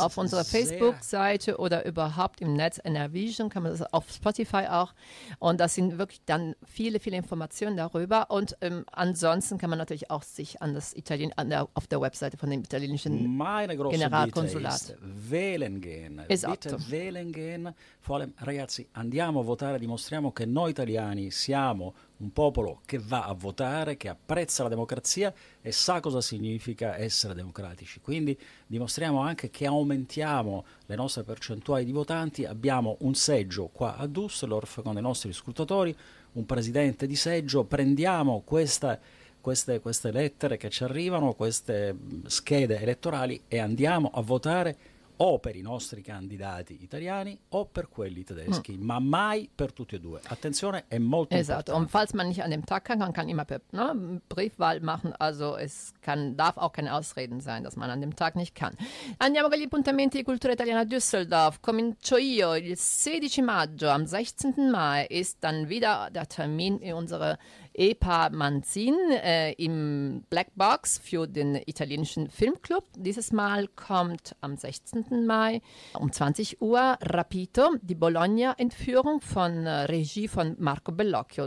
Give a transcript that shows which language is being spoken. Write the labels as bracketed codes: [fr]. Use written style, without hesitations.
[de] auf unserer Facebook-Seite oder überhaupt im Netz Enervision kann man das auf Spotify auch. Und das sind wirklich dann viele, viele Informationen darüber. Und ansonsten kann man natürlich auch sich an das Italien, auf der Webseite von dem italienischen Meine große Generalkonsulat. Bitte ist, wählen gehen. Esatto. Bitte wählen gehen. Vor allem, [it] ragazzi, andiamo a votare, dimostriamo che noi italiani siamo un popolo che va a votare, che apprezza la democrazia e sa cosa significa essere democratici. Quindi dimostriamo anche che aumentiamo le nostre percentuali di votanti. Abbiamo un seggio qua a Düsseldorf con i nostri scrutatori, un presidente di seggio. Prendiamo queste lettere che ci arrivano, queste schede elettorali, e andiamo a votare o per i nostri candidati italiani o per quelli tedeschi, ma mai per tutti e due. Attenzione, è molto esatto. Importante. [de] Und falls man nicht an dem Tag kann, man kann immer per, no, Briefwahl machen, also es kann, darf auch keine Ausreden sein, dass man an dem Tag nicht kann. [it] Andiamo con gli appuntamenti di cultura italiana a Düsseldorf. Comincio io il 16 maggio, [de] am 16. Mai ist dann wieder der Termin in unsere Epa Manzin im Black Box für den italienischen Filmclub. Dieses Mal kommt am 16. Mai um 20 Uhr Rapito, die Bologna-Entführung von Regie von Marco Bellocchio.